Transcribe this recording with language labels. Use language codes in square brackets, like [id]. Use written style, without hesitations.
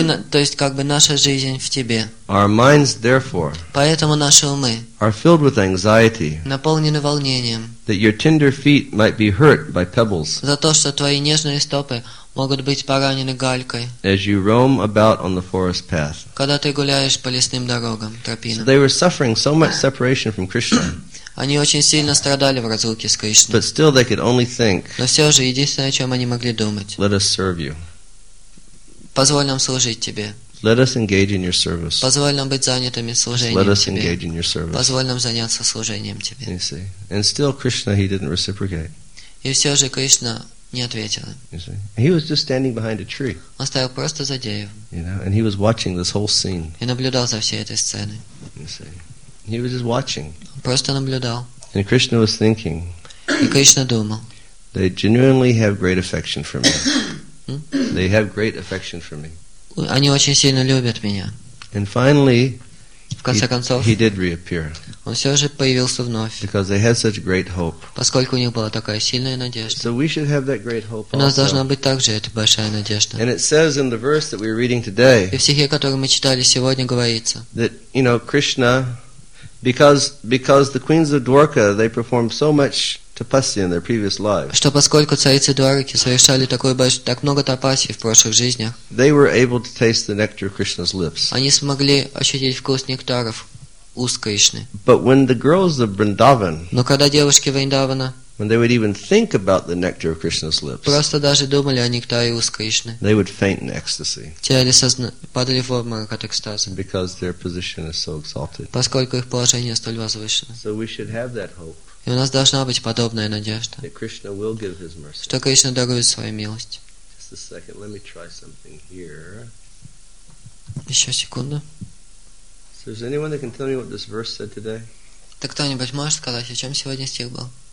[ru] то есть как бы наша жизнь в тебе. [en] Our minds, therefore, [ru] поэтому наши умы [en] are filled with anxiety, [ru] наполнены волнением, [en] that your tender feet might be hurt by pebbles, [ru] за то, что твои нежные стопы могут быть поранены галькой, [en] as you roam about on the forest path, [ru] когда ты гуляешь по лесным дорогам, тропинам. [en] So they were suffering so much separation from Krishna. [ru] Они очень сильно страдали в разлуке с Кришной. [en] But still they could only think, [ru] но все же единственное, о чем они могли думать, [en] let us serve you. [ru] Позволь нам служить тебе. [en] Let us engage in your service. [ru] Позволь нам быть занятыми служением [en] let us [ru] тебе. [en] Engage in your service. [ru] Позволь нам заняться служением тебе. [en] You see? And still Krishna, he didn't reciprocate. [ru] И все же Кришна не ответил. [en] He was just standing behind a tree. [ru] Он стоял просто за деревом. [en] You know? And he was watching this whole scene. [ru] И наблюдал за всей этой сценой. [en] You see? He was just watching. [ru] Он просто наблюдал. [en] And Krishna was thinking, [ru] и Кришна думал. [en] They genuinely have great affection for me. They have great affection for me. [ru] Они очень сильно любят меня. [en] And finally, [ru] в конце концов, [en] he did reappear. [ru] Он все же появился вновь. [en] Because they had such great hope. [ru] Поскольку у них была такая сильная надежда. [en] So we should have that great hope [ru] у нас [en] also. [ru] Должна быть также эта большая надежда. [en] And it says in the verse that we're reading today, [ru] и в стихе, который мы читали сегодня, говорится, [en] that, you know, Krishna, because the queens of Dwarka, they performed so much tapasya in their previous lives. [ru] Что поскольку царицы Дварики совершали такое большое, так много тапасий в прошлых жизнях. [en] They were able to taste the nectar of Krishna's lips. [ru] Они смогли ощутить вкус нектаров уст Кришны. [en] But when the girls of Vrindavan, [ru] но когда девушки Вриндавана, [en] when they would even think about the nectar of Krishna's lips, [ru] просто даже думали о нектаре уст Кришны, [en] they would faint in ecstasy. [ru] Теряли сознание, падали в обморок от экстаза. [en] Because their position is so exalted. [ru] Поскольку их положение столь возвышено. [en] So we should have that hope. [ru] И у нас должна быть подобная надежда, [en] that Krishna will give his mercy. [ru] Что Кришна дарует свою милость. [en] Just a second, let me try something here. [ru] Еще секунду. [en] So is anyone that can tell me what this verse said today? [ru] Ты кто-нибудь можешь сказать, о чем сегодня стих был?